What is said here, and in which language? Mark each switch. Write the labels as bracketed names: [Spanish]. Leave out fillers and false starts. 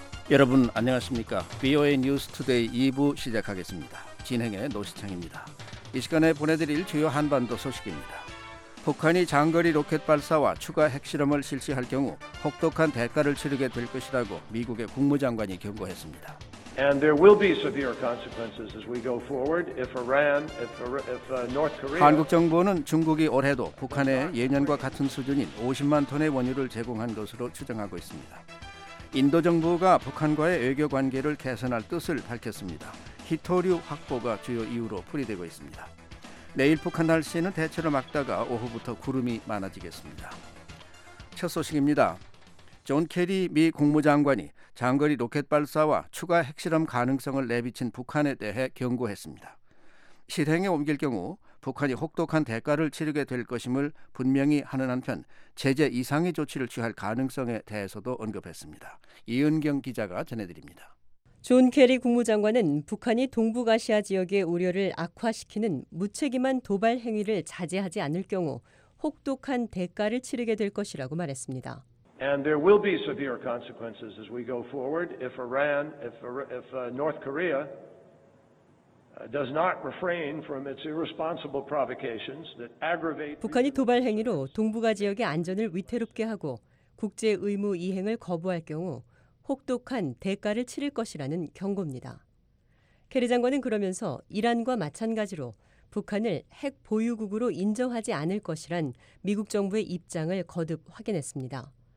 [Korean] 여러분 안녕하십니까? VOA News Today 2부 시작하겠습니다. 진행의 노시창입니다. 이 시간에 보내드릴 주요 한반도 소식입니다. 북한이 장거리 로켓 발사와 추가 핵실험을 실시할 경우 혹독한 대가를 치르게 될 것이라고 미국의 국무장관이 경고했습니다. [English] And there will be severe consequences as we go forward if Iran, if North Korea. [Korean] 한국 정부는 중국이 올해도 북한에 예년과 같은 수준인 50만 톤의 원유를 제공한 것으로 추정하고 있습니다. 인도 정부가 북한과의 외교 관계를 개선할 뜻을 밝혔습니다. 히토류 확보가 주요 이유로 풀이되고 있습니다. 내일 북한 날씨는 대체로 맑다가 오후부터 구름이 많아지겠습니다. 첫 소식입니다. 존 케리 미 국무장관이 장거리 로켓 발사와 추가 핵실험 가능성을 내비친 북한에 대해 경고했습니다. 실행에 옮길 경우 북한이 혹독한 대가를 치르게 될 것임을 분명히 하는 한편 제재 이상의 조치를 취할 가능성에 대해서도 언급했습니다. 이은경 기자가 전해드립니다. 존 케리 국무장관은 북한이 동북아시아 지역의 우려를 악화시키는 무책임한 도발 행위를 자제하지 않을 경우 혹독한 대가를 치르게 될 것이라고 말했습니다. [English] And there will be severe consequences as we go forward if Iran, if North Korea does not refrain from its irresponsible provocations that aggravate. [Korean] 북한이 도발 행위로 동북아 지역의 안전을 위태롭게 하고 국제 의무 이행을 거부할 경우 혹독한 대가를 치를 것이라는 경고입니다. 케리 장관은 그러면서 이란과 마찬가지로 북한을 핵 보유국으로 인정하지 않을 것이란 미국 정부의 입장을 거듭 확인했습니다.